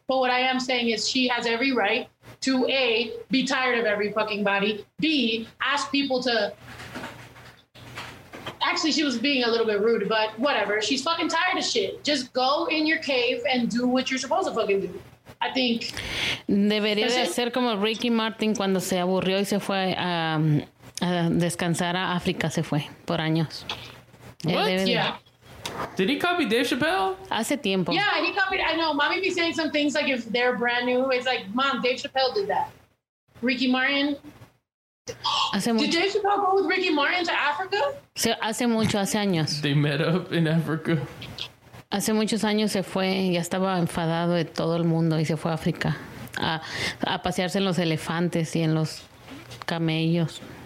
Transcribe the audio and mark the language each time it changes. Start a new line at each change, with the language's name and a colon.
English: But what I am saying is she has every right to A, be tired of every fucking body. B, ask people to actually she was being a little bit rude, but whatever. She's fucking tired of shit. Just go in your cave and do what you're supposed to fucking do. I think
Spanish: debería de hacer como Ricky Martin cuando se aburrió y se fue a descansar a África, se fue por años.
English: Did he copy Dave Chappelle?
Spanish: Hace tiempo.
English: Yeah, he copied. I know. Mommy be saying some things like if they're brand new, it's like, Mom, Dave Chappelle did that. Ricky Martin.
Spanish: Hace mucho.
English: Did Dave Chappelle go with Ricky Martin to Africa?
Spanish: Se, hace mucho, hace años.
English: They met up in Africa.
Spanish: Hace muchos años se fue, ya estaba enfadado de todo el mundo y se fue a África a pasearse en los elefantes y en los camellos.